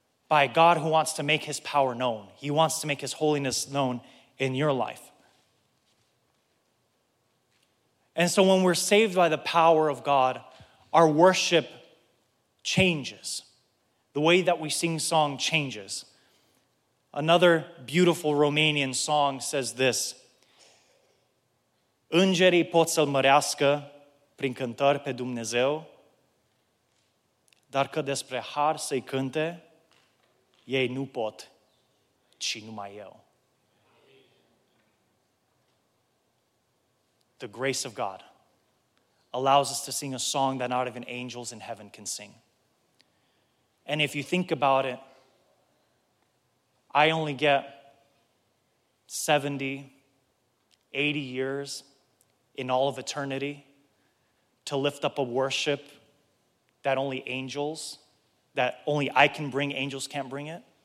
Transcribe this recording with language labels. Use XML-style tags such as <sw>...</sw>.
<en>By a God who wants to make his power known. He wants to make his holiness known in your life. And so when we're saved by the power of God, our worship changes. the way that we sing song changes. Another beautiful Romanian song says this:</en> <ro>Îngerii pot să-L mărească prin cântări pe Dumnezeu, dar că despre har să-I cânte, ei nu pot, ci numai eu.</ro> <en>The grace of God allows us to sing a song that not even angels in heaven can sing. And if you think about it, I only get 70, 80 years in all of eternity to lift up a worship that only angels, that only I can bring, angels can't bring it.</en>